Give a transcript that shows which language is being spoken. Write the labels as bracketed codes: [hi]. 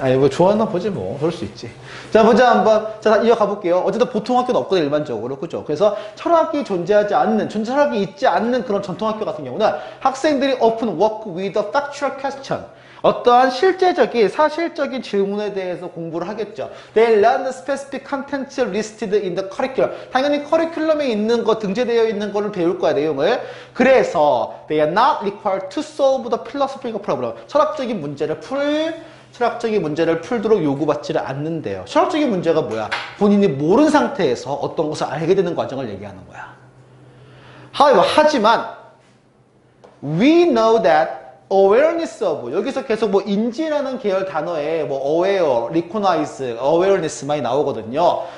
[ko] 아니, 뭐, 좋아하나 보지, 뭐. 그럴 수 있지. 자, 보자, 한번. 자, 이어가 볼게요. 어쨌든 보통 학교는 없거든, 일반적으로. 그죠? 그래서 철학이 존재하지 않는, 존재 철학이 있지 않는 그런 전통 학교 같은 경우는 학생들이 [en] often work with a factual question. [ko] 어떠한 실제적인, 사실적인 질문에 대해서 공부를 하겠죠. [en] They learn the specific contents listed in the curriculum. [ko] 당연히 커리큘럼에 있는 거, 등재되어 있는 거를 배울 거야, 내용을. 그래서 [en] they are not required to solve the philosophical problem. [ko] 철학적인 문제를 철학적인 문제를 풀도록 요구받지를 않는데요. 철학적인 문제가 뭐야? 본인이 모르는 상태에서 어떤 것을 알게 되는 과정을 얘기하는 거야. 하지만 [en] we know that awareness of [ko] 여기서 계속 뭐 인지라는 계열 단어에 뭐 aware, recognize, awareness 많이 나오거든요.